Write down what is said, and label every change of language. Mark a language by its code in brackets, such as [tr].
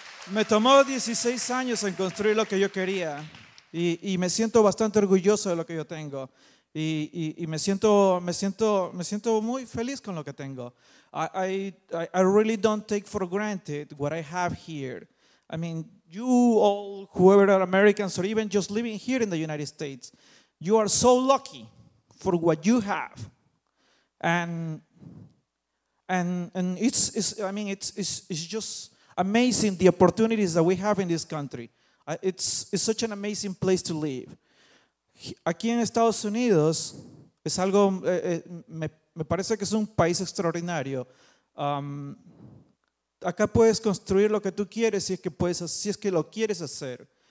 [es] Me tomó 16 años en construir lo que yo quería. Y me siento bastante orgulloso de lo que yo tengo. Y me siento muy feliz con lo que tengo. [en] I really don't take for granted what I have here. I mean, you all, whoever are Americans or even just living here in the United States, you are so lucky for what you have. And it's just amazing the opportunities that we have in this country. It's such an amazing place to live. [es] Aquí en Estados Unidos es algo, me parece que es un país extraordinario. Acá puedes construir lo que tú quieres si es que lo quieres hacer.